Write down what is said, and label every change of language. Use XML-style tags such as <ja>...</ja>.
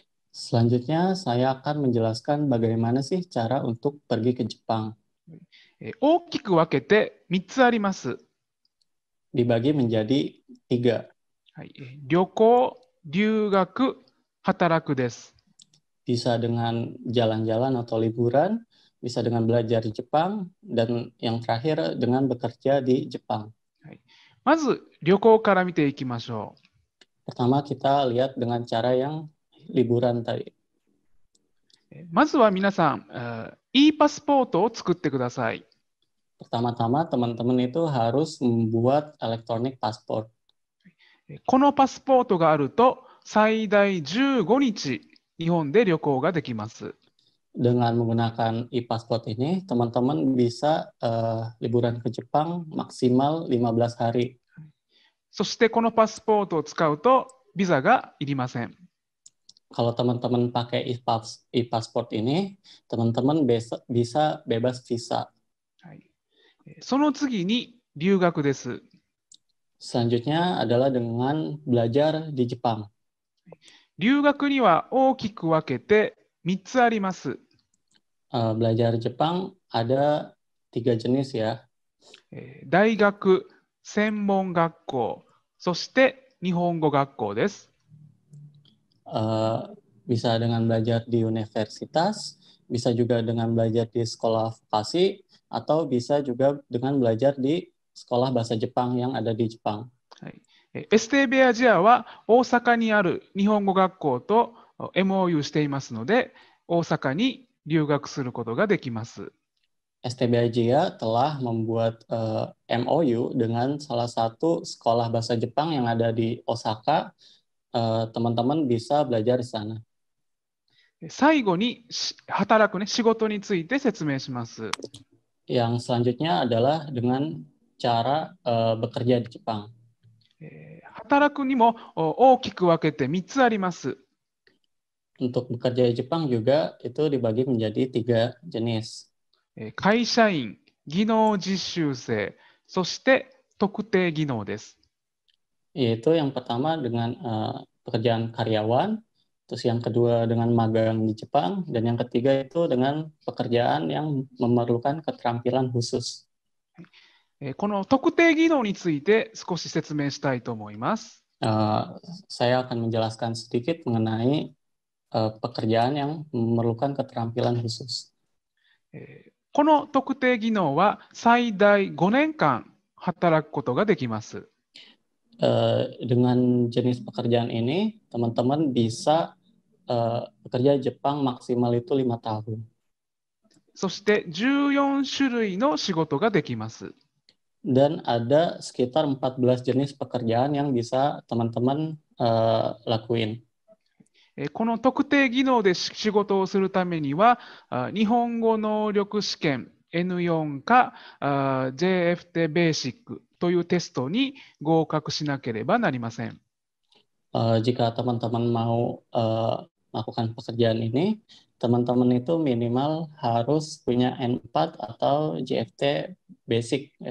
<id>Selanjutnya, saya akan menjelaskan bagaimana sih cara untuk pergi ke Jepang.</id> <ja>大きく分けて3つあります。</ja> <id>Dibagi menjadi 3。</id> <ja>はい、旅行、留学、働くです。</ja> <id>Bisa dengan jalan-jalan atau liburan, bisa dengan belajar di Jepang, dan yang terakhir dengan bekerja di Jepang.</id> <ja>はい、まず旅行から見ていきましょう。</ja> <id>Pertama kita lihat dengan cara yang liburan tadi.</id> <ja>まずは皆さん、e パスポートを作ってください。</ja> <id>Pertama-tama teman-teman itu harus membuat electronic passport.</id> <ja>このパスポートがあると最大15日日本で旅行ができます。</ja> <id>Dengan menggunakan e-passport ini, teman-teman bisa liburan ke Jepang maksimal 15 hari.</id> <ja>そしてこのパスポートを使うとビザがいりません。</ja> <id>Kalau teman-teman pakai e-passport ini, teman-teman bisa bebas visa.</id> <ja>その次に留学です。</ja> <id>Selanjutnya adalah dengan belajar di Jepang.</id> <ja>留学には大きく分けて3つあります。</ja> <id>Belajar Jepang ada 3 jenis ya.</id> <ja>大学、専門学校、そして日本語学校です。</ja> <id>Bisa dengan belajar di universitas, bisa juga dengan belajar di sekolah vokasi, atau bisa juga dengan belajar di sekolah bahasa Jepang yang ada di Jepang.</id> <ja>STB Asia は大阪にある日本語学校と MOU していますので、大阪に留学することができます。</ja> <id>STB Asia telah membuat MOU dengan salah satu sekolah bahasa Jepang yang ada di Osaka. Teman-teman bisa belajar di sana.</id> <ja>最後に働くね、仕事について説明します。</ja> <id>Yang selanjutnya adalah dengan cara bekerja di Jepang.</id> <ja>働くにも大きく分けて3つあります。</ja> <id>Untuk bekerja di Jepang juga itu dibagi menjadi 3 jenis.</id> <ja>会社員、技能実習生、そして特定技能です。</ja> <id>Yaitu yang pertama dengan pekerjaan karyawan, terus yang kedua dengan magang di Jepang, dan yang ketiga itu dengan pekerjaan yang memerlukan keterampilan khusus.</id> <ja>この特定技能について少し説明したいと思います。</ja> <id>Saya akan menjelaskan sedikit mengenai pekerjaan yang memerlukan keterampilan khusus.</id> <ja>この特定技能は最大5年間働くことができます。</ja> <id>Dengan jenis pekerjaan ini, teman-teman bisa bekerja Jepang maksimal itu 5 tahun.</id> <ja>そして14種類の仕事ができます。</ja> <id>Dan ada sekitar 14 jenis pekerjaan yang bisa teman-teman lakuin.</id> <ja>この特定技能で仕事をするためには、日本語能力試験 N4 か、JFT Basic というテストに合格しなければなりません。</ja> <id>Jika teman-teman mau melakukan pekerjaan ini, teman-teman itu minimal harus punya N4 atau JFT Basic.</id>